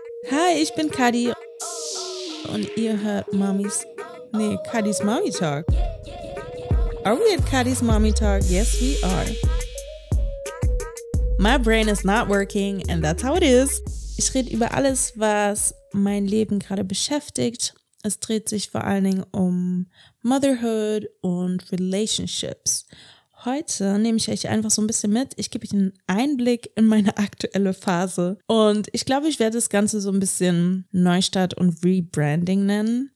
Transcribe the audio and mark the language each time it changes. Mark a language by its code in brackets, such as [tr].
[de] Hi, ich bin Kadi und ihr hört Kadis Mommy Talk. [en] Are we at Kadis Mommy Talk? Yes, we are. My brain is not working and that's how it is. [de] Ich rede über alles, was mein Leben gerade beschäftigt. Es dreht sich vor allen Dingen um Motherhood und Relationships. Heute nehme ich euch einfach so ein bisschen mit. Ich gebe euch einen Einblick in meine aktuelle Phase. Und ich glaube, ich werde das Ganze so ein bisschen Neustart und Rebranding nennen.